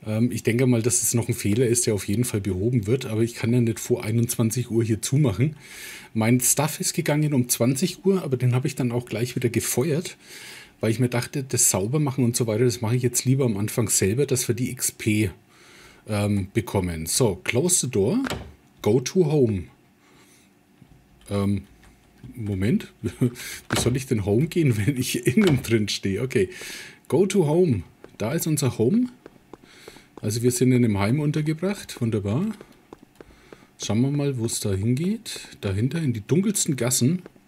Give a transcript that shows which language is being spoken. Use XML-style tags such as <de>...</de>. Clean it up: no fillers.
<de>Ich denke mal, dass es noch ein Fehler ist, der auf jeden Fall behoben wird. Aber ich kann ja nicht vor 21 Uhr hier zumachen. Mein Stuff ist gegangen um 20 Uhr, aber den habe ich dann auch gleich wieder gefeuert, weil ich mir dachte, das Saubermachen und so weiter, das mache ich jetzt lieber am Anfang selber, dass wir die XP bekommen.</de> <en>So, close the door, go to home.</en> <de>Moment, wie soll ich denn home gehen, wenn ich innen drin stehe? Okay,</de> <en>go to home.</en> <de>Da ist unser Home. Also wir sind in einem Heim untergebracht. Wunderbar. Schauen wir mal, wo es da hingeht. Dahinter in die dunkelsten Gassen.</de>